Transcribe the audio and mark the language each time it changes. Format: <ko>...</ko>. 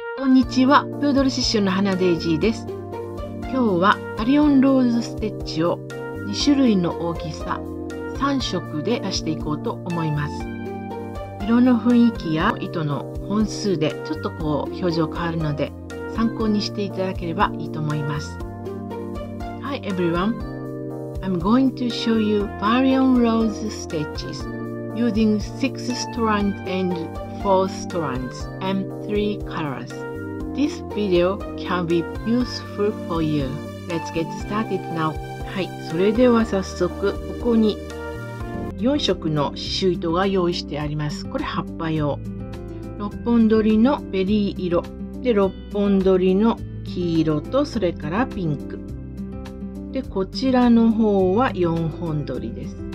<ja>こんにちは、プードル刺繍の花デイジーです。今日はパリオンローズステッチを2種類の大きさ、3色で刺していこうと思います。色の雰囲気や糸の本数でちょっとこう表情変わるので、参考にしていただければいいと思います。</ja> <en>Hi everyone! I'm going to show you パリオンローズステッチ using 6 strands and 4 strands and 3 colors. This video can be useful for you. Let's get started now.</en> <ja>はい、それでは早速ここに4色の刺繍糸が用意してあります。これ葉っぱ用、6本取りのベリー色で、6本取りの黄色とそれからピンクで、こちらの方は4本取りです。</ja>